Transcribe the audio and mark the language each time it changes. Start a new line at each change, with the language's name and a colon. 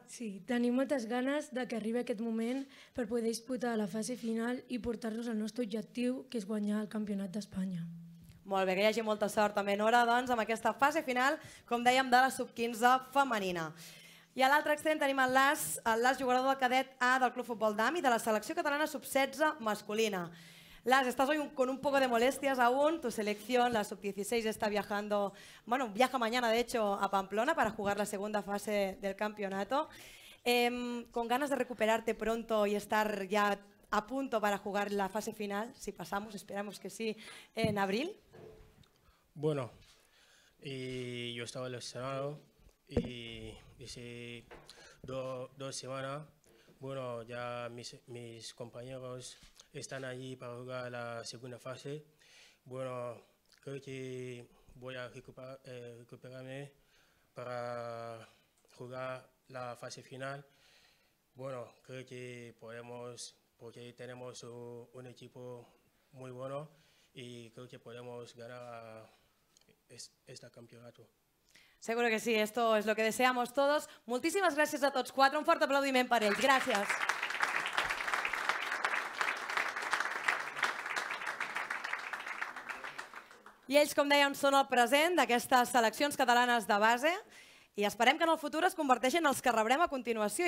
Catalan: Sí, tenim moltes ganes de que arribi aquest moment per poder disputar la fase final i portar-nos al nostre objectiu, que és guanyar el campionat d'Espanya. Molt bé, que hi hagi molta sort també, Nora, doncs, amb aquesta fase final, com dèiem, de la sub-15 femenina. I a l'altre extrem tenim el Las, jugador del cadet A del Club Futbol d'Am i de la selecció catalana sub-16 masculina.
Spanish: Las, estàs hoy con un poco de molestias aún, tu selección, la sub-16, está viajando, bueno, viaja mañana de hecho a Pamplona para jugar la segunda fase del campeonato. Con ganas de recuperarte pronto y estar ya a punto para jugar la fase final, si pasamos, esperamos que sí, en abril. Bueno, y yo estaba lesionado y hice dos semanas. Bueno, ya mis compañeros están allí para jugar la segunda fase. Bueno, creo que voy a recuperarme para jugar la fase final. Bueno, creo que podemos, porque tenemos un equipo muy bueno, y creo que podemos ganar este campeonato. Seguro que sí, esto es lo que deseamos todos.
Catalan: Moltíssimes gràcies a tots quatre, un fort aplaudiment per ells. Gràcies. I ells, com dèiem, són el present d'aquestes seleccions catalanes de base, i esperem que en el futur es converteixin els que rebrem a continuació.